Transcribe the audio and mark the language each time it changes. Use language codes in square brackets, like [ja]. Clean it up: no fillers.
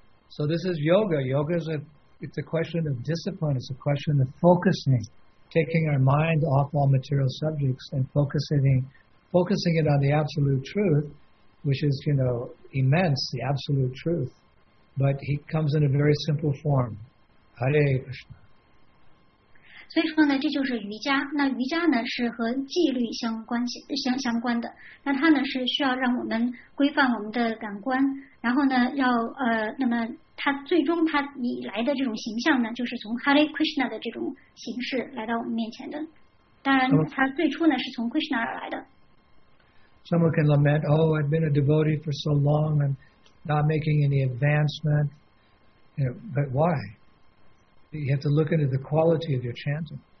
[en] So this is yoga. Yoga is it's a question of discipline. It's a question of focusing, taking our mind off all material subjects and focusing it on the absolute truth, which is, you know, immense, the absolute truth. But he comes in a very simple form. Hare Krishna. [zh] 所以说呢，这就是瑜伽。那瑜伽呢是和纪律相关的，那它呢是需要让我们规范我们的感官，然后呢要那么它最终它以来的这种形象呢，就是从 Hare Krishna 的这种形式来到我们面前的。当然，它最初呢是从 Krishna 而来的。 [en] Someone can lament, "Oh, I've been a devotee for so long and not making any advancement." You know, but why? You have to look into the quality of your chanting.